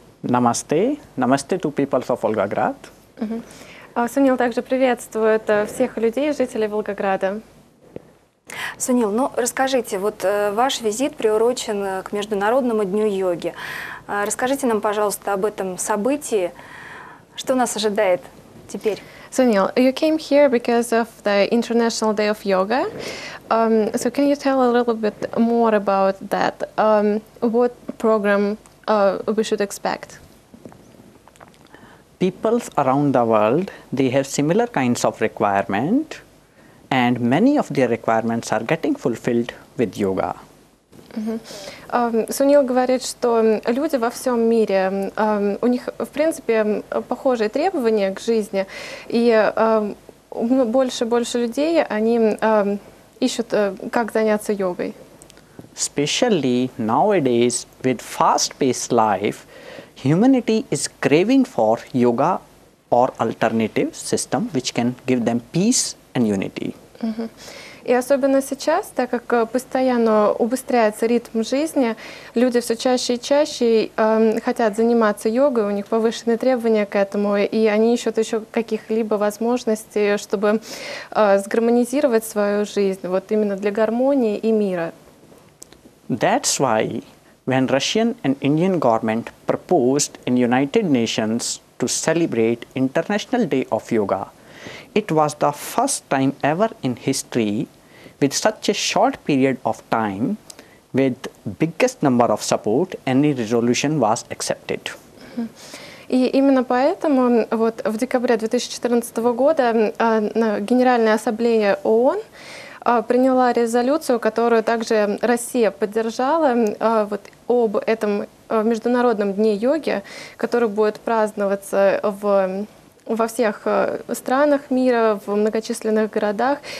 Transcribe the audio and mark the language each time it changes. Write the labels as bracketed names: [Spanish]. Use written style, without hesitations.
[English] Намасте. Намасте to people of Волгоград. [Russian] Сунил также приветствует всех людей, жителей Волгограда. Сунил, ну расскажите, вот ваш визит приурочен к Международному дню йоги. Расскажите нам, пожалуйста, об этом событии. Что нас ожидает теперь? [English] Sunil, you came here because of the International Day of Yoga. So can you tell a little bit more about that? What program we should expect? Peoples around the world, they have similar kinds of requirement, and many of their requirements are getting fulfilled with yoga. [Russian] Сунил говорит, что люди во всем мире, у них, в принципе, похожие требования к жизни, и больше и больше людей, они ищут, как заняться йогой. [English] Especially nowadays, with fast-paced life, humanity is craving for yoga or alternative system, which can give them peace and unity. [Russian] И особенно сейчас, так как постоянно убыстряется ритм жизни, люди все чаще и чаще хотят заниматься йогой, у них повышенные требования к этому, и они ищут еще каких-либо возможностей, чтобы сгармонизировать свою жизнь, вот именно для гармонии и мира. [English] That's why when Russian and Indian government proposed in United Nations to celebrate International Day of Yoga, it was the first time ever in history with such a short period of time with biggest number of support any resolution was accepted. [Russian] И именно поэтому вот в декабре 2014 года Генеральная ассамблея ООН приняла резолюцию, которую также Россия поддержала, вот об этом Международном дне йоги, который будет праздноваться во всех странах мира, в многочисленных городах.